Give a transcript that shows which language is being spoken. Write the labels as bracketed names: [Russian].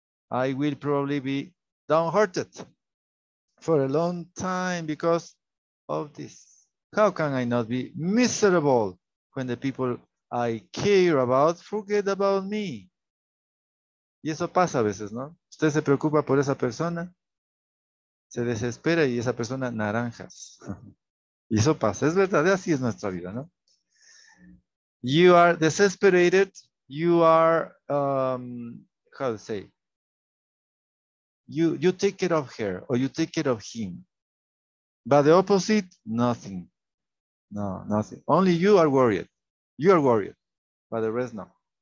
[English] I will probably be downhearted for a long time because of this. How can I not be miserable when the people I care about forget about me? [Spanish] Y eso pasa a veces, ¿no? Usted se preocupa por esa persona, se desespera y esa persona naranjas. Y eso pasa, es verdad, así es nuestra vida, ¿no? [English] You are desesperated, you are, how to say, you take care of her or you take care of him. But the opposite, nothing. No, nothing. Only you are worried. You are worried, but the rest no.